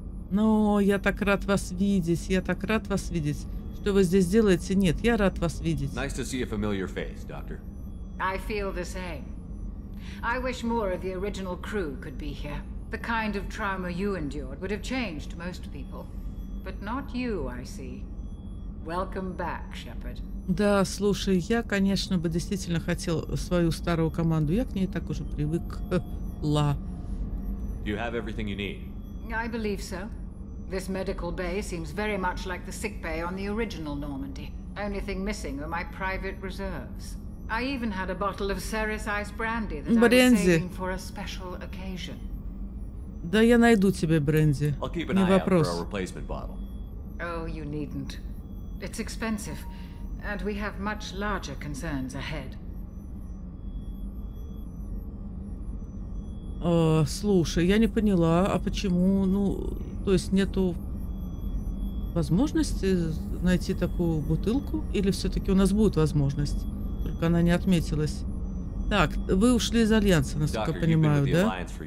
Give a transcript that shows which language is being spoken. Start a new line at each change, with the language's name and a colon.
Russian: Но я так рад вас видеть. Я так рад вас видеть. Что вы здесь делаете? Нет, я рад вас видеть.
English: Nice to see a familiar face, doctor. I feel the same. I wish more of the original crew could be here. The kind of trauma you endured would have changed most people, but not you, I see. Welcome back, Shepard.
Russian: Да, слушай, я, конечно, бы действительно хотел свою старую команду. Я к ней так уже привыкла.
English: Do you have everything you need? I believe so. This medical bay seems very much like the sick bay on the original Normandy. Only thing missing are my private reserves. I even had a bottle of Ceres ice brandy that
Russian: Брэнди.
English: I was saving for a special occasion.
Russian: Да я найду тебе бренди.
English: I'll keep an
Russian: Не
English: eye
Russian: вопрос.
English: Out for a replacement bottle. Oh, you needn't. It's expensive, and we have much larger concerns ahead.
Russian: Слушай, я не поняла, а почему, ну, то есть нету возможности найти такую бутылку? Или все-таки у нас будет возможность, только она не отметилась? Так, вы ушли из Альянса, насколько я понимаю, да?